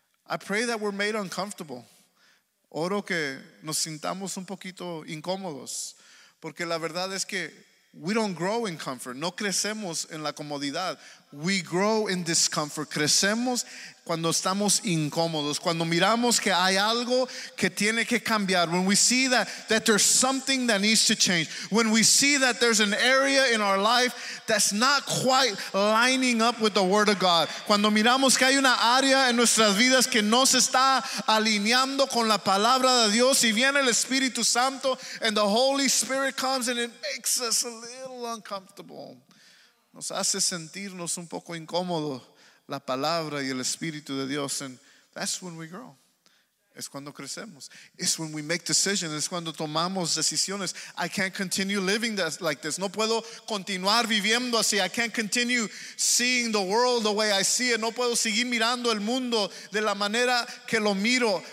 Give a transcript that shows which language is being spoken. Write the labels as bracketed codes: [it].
[en] I pray that we're made uncomfortable. [es] Oro que nos sintamos un poquito incómodos. Porque la verdad es que [en] we don't grow in comfort. [es] No crecemos en la comodidad. [en] We grow in discomfort. [es] Crecemos cuando estamos incómodos. Cuando miramos que hay algo que tiene que cambiar. [en] When we see that there's something that needs to change. When we see that there's an area in our life that's not quite lining up with the Word of God. [es] Cuando miramos que hay una área en nuestras vidas que no se está alineando con la palabra de Dios. Y viene el Espíritu Santo, [en] and the Holy Spirit comes and it makes us a little uncomfortable. [es] Nos hace sentirnos un poco incómodo la palabra y el Espíritu de Dios. [en] And that's when we grow. [es] Es cuando crecemos. [en] It's when we make decisions. [es] Es cuando tomamos decisiones. [en] I can't continue living like this. [es] No puedo continuar viviendo así. [en] I can't continue seeing the world the way I see it. [es] No puedo seguir mirando el mundo de la manera que lo miro.